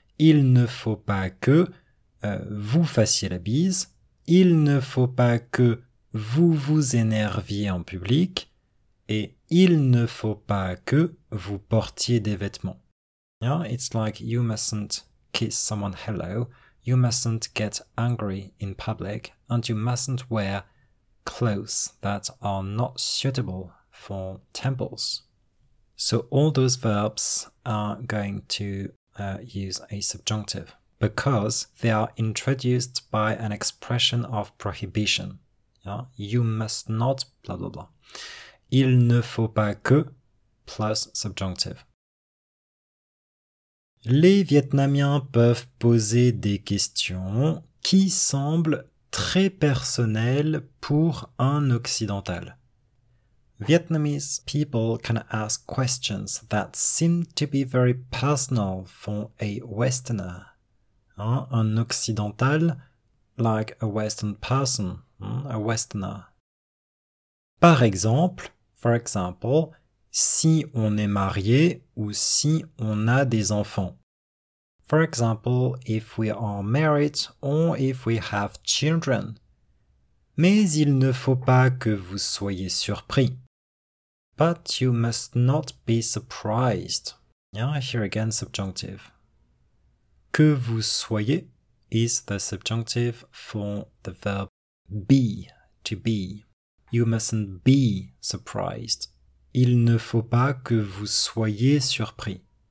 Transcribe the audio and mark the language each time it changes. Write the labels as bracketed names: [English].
[French] il ne faut pas que vous fassiez la bise, il ne faut pas que vous vous énerviez en public, et il ne faut pas que vous portiez des vêtements. [English] Yeah, it's like you mustn't kiss someone hello, you mustn't get angry in public, and you mustn't wear clothes that are not suitable for temples. So all those verbs are going to use a subjunctive because they are introduced by an expression of prohibition. Yeah? You must not, blah, blah, blah. [French] Il ne faut pas que, [English] plus subjunctive. [French] Les Vietnamiens peuvent poser des questions qui semblent très personnelles pour un occidental. [English] Vietnamese people can ask questions that seem to be very personal for a Westerner. [French] Hein, un occidental, [English] like a Western person, a Westerner. [French] Par exemple, [English] for example, [French] si on est marié ou si on a des enfants. [English] For example, if we are married or if we have children. [French] Mais il ne faut pas que vous soyez surpris. [English] But you must not be surprised. Yeah, here again, subjunctive. [French] Que vous soyez [English] is the subjunctive for the verb be, to be. You mustn't be surprised. [French] Il ne faut pas que vous soyez surpris.